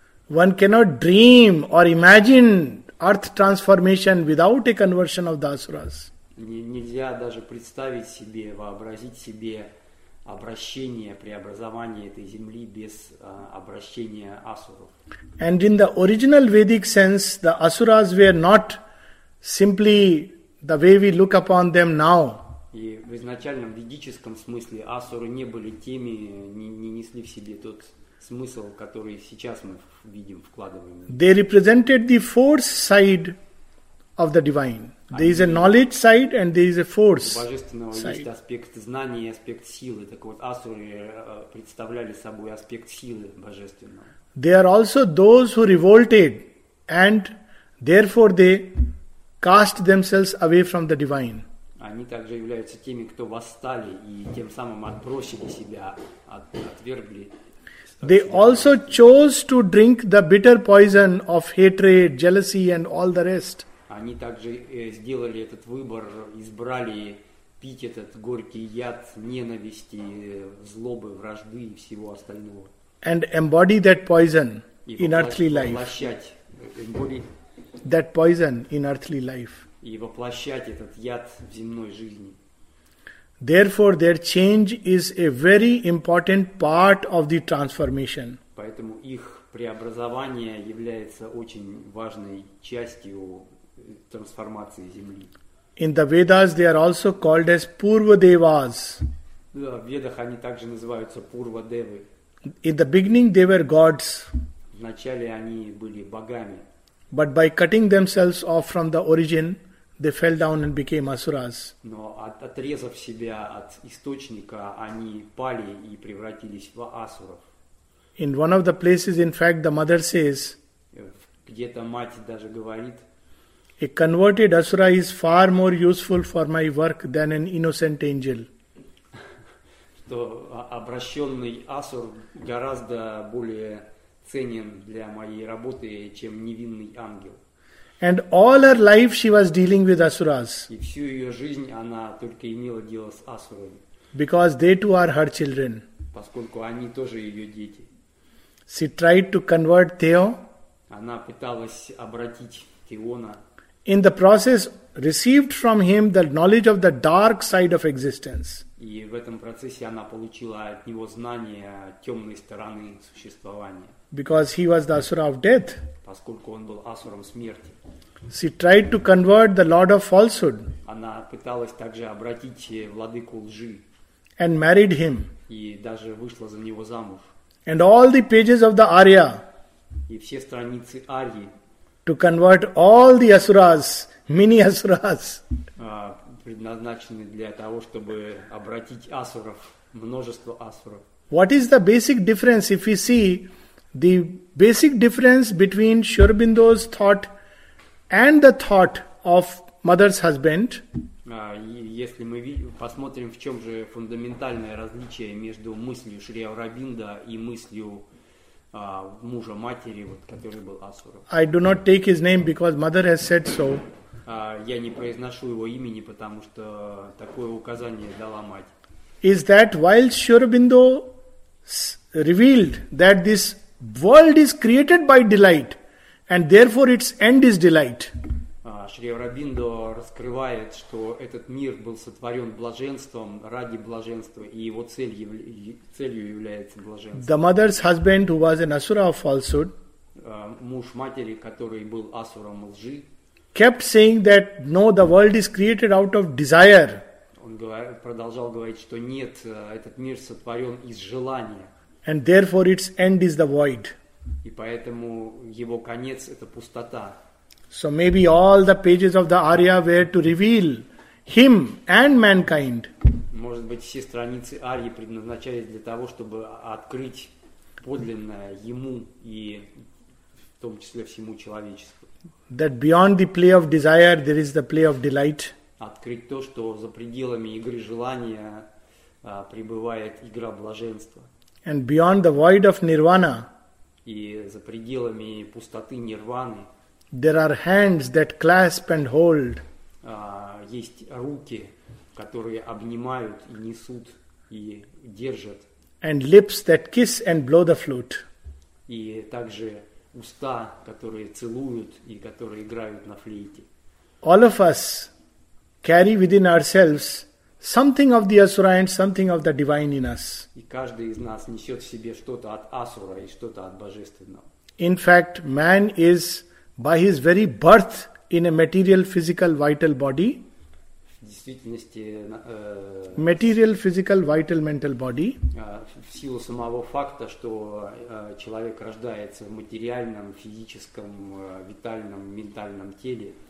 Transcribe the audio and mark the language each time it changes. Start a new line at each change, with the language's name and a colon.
English: One cannot dream or imagine earth transformation without a conversion of the asuras.
Russian: Нельзя даже представить себе, вообразить себе обращение, преобразование этой земли без обращения асуров.
English: And in the original Vedic sense, the asuras were not simply the way we look upon them now.
Russian: И в изначальном ведическом смысле асуры не были теми, не несли в себе тот смысл, который сейчас мы видим, вкладываем.
English: They represented the fourth side of the divine. There is a knowledge side and there is a force side.
Russian: У божественного есть аспект знания и аспект силы. Так вот, асуры представляли собой аспект силы божественного.
English: They are also those who revolted and therefore they cast themselves away from the divine.
Russian: Они также являются теми, кто восстали и тем самым отбросили себя, отвергли.
English: They also chose to drink the bitter poison of hatred, jealousy and all the rest.
Russian: Они также сделали этот выбор, избрали пить этот горький яд ненависти, злобы, вражды и всего остального.
English: And embody that poison in earthly life.
Russian: И воплощать, embody
English: that poison in earthly life.
Russian: И воплощать этот яд в земной жизни.
English: Therefore, their change is a very important part of the transformation.
Russian: Поэтому их преобразование является очень важной частью трансформации Земли.
English: In the Vedas, they are also called as Purva Devas.
Russian: Да, в Ведах они также называются Пурва Девы.
English: In the beginning, they were gods.
Russian: Вначале они были богами.
English: But by cutting themselves off from the origin, they fell down and became asuras.
Russian: Но отрезав себя от источника, они пали и превратились в асуров.
English: In one of the places, in fact, the mother says,
Russian: где-то мать даже говорит,
English: a converted asura is far more useful for my work than an innocent angel.
Russian: Что обращенный асур гораздо более ценен для моей работы, чем невинный ангел.
English: And all her life she was dealing with asuras.
Russian: И всю ее жизнь она только имела дело с асурами.
English: Because they too are her children.
Russian: Поскольку они тоже ее дети.
English: She tried to convert Theo.
Russian: Она пыталась обратить Теона.
English: In the process, received from him the knowledge of the dark side of existence.
Russian: И в этом процессе она получила от него знания темной стороны существования.
English: Because he was the asura of death.
Russian: Поскольку он был асуром смерти.
English: She tried to convert the lord of falsehood.
Russian: Она пыталась также обратить владыку лжи.
English: And married him.
Russian: И даже вышла за него замуж.
English: And all the pages of the Arya.
Russian: И все страницы Арьи.
English: To convert all the asuras, mini asuras.
Russian: Предназначены для того, чтобы обратить асуров, множество асуров.
English: What is the basic difference if we see the basic difference between Shurbindo's thought and the thought of mother's husband?
Russian: Если мы посмотрим, в чем же фундаментальное различие между мыслью Шри Аурабинда и мыслью мужа матери, вот, который был асуром.
English: I do not take his name because mother has said so.
Russian: Я не произношу его имени, потому что такое указание дала мать.
English: Is that while Shurbindo revealed that this world is created by delight and therefore its end is delight.
Russian: Шри Аурабиндо раскрывает, что этот мир был сотворен блаженством ради блаженства, и его целью является блаженство.
English: The mother's husband, who was an asura of falsehood,
Russian: муж матери, который был асуром лжи,
English: kept saying that no, the world is created out of desire.
Russian: Он продолжал говорить, что нет, этот мир сотворен из желания.
English: And therefore its end is the void.
Russian: И поэтому его конец это пустота.
English: So maybe all the pages of the Arya were to reveal him and mankind.
Russian: Может быть, все страницы Арьи предназначались для того, чтобы открыть подлинное ему и в том числе всему человечеству.
English: That beyond the play of desire there is the play of delight.
Russian: Открыть то, что за пределами игры желания пребывает игра блаженства.
English: And beyond the void of nirvana.
Russian: И за пределами пустоты нирваны.
English: There are hands that clasp and hold.
Russian: Есть руки, которые обнимают и несут и держат.
English: And lips that kiss and blow the flute.
Russian: И также уста, которые целуют и которые играют на флейте.
English: All of us carry within ourselves something of the asura and something of the divine in us.
Russian: И каждый из нас несет в себе что-то от асура и что-то от божественного.
English: In fact, man is by his very birth in a material, physical, vital body.
Russian: В действительности,
English: material, physical, vital, mental body.
Russian: В силу самого факта, что человек рождается в материальном, физическом, витальном, ментальном теле.